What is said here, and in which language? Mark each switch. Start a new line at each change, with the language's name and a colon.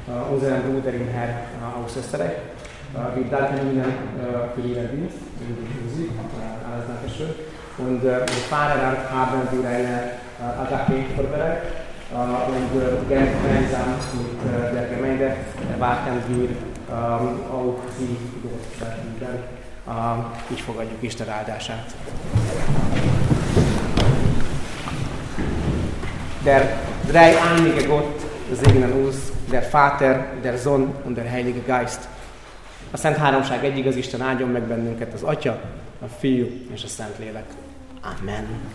German: Unseren Bruderin Herr aus Österreich. Wir danken Ihnen für Ihren Dienst, für die Musik, alles Dankeschön. Und wir fahren dann haben wir eine Agape vorbereitet. Und gemeinsam mit der Gemeinde erwarten wir auch Sie dort wieder.
Hungarian: Így fogadjuk Isten áldását.
German: Der dreieinige Gott segnen uns, der Vater, der Sohn und der Heilige Geist.
Hungarian: A Szent Háromság egy igaz Isten áldjon meg bennünket, az Atya, a Fiú és a Szent Lélek. Amen.